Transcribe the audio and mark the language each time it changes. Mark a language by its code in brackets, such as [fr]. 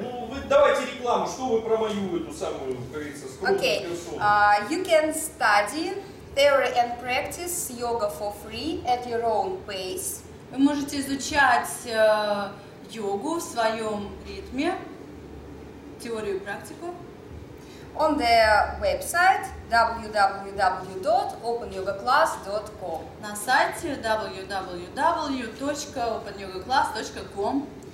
[ru] Ну, вы давайте рекламу, что вы про мою эту самую, как говорится, скромную персону. [en] Okay, you can study theory and practice yoga for free at your own pace. [ru] Вы можете изучать йогу в своем ритме, теорию и практику. [en] On the website www.openyogaclass.com. [ru] На сайте www.openyogaclass.com.